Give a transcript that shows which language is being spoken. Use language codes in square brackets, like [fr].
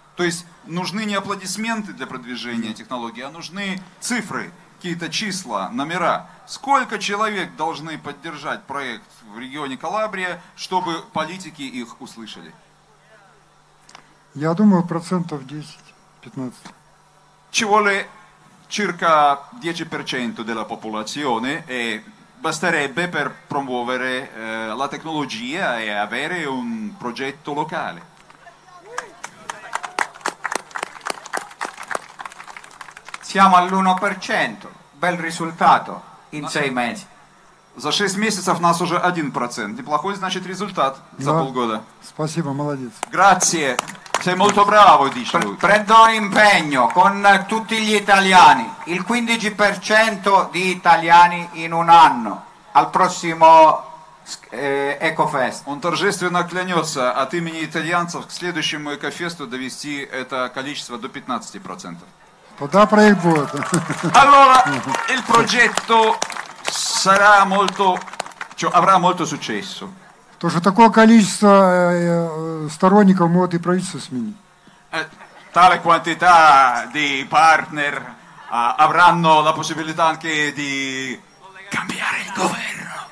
[ru] То есть нужны не аплодисменты для продвижения технологий, а нужны цифры, какие-то числа, номера. Сколько человек должны поддержать проект в регионе Калабрия, чтобы политики их услышали? Я думаю, процентов 10-15. [it] Ci vuole circa 10% della popolazione e basterebbe per promuovere la tecnologia e avere un progetto locale. Siamo all'1%, bel risultato in 6 mesi. [ru] За 6 месяцев нас уже 1%. Неплохой, значит, результат за полгода. Спасибо, молодец. [it] Grazie. Sei molto bravo, dice lui. Prendo un impegno con tutti gli italiani, il 15% di italiani in un anno, al prossimo Ecofest. [ru] Он торжественно клянется от имени итальянцев к следующему Экофесту довести это количество до 15%. Тогда проект будет. [it] Allora, il progetto sarà molto, cioè, avrà molto successo. [ru] То, что такое количество сторонников могут и правительство сменить. [it] Tale quantità di partner avranno la possibilità anche di cambiare il governo.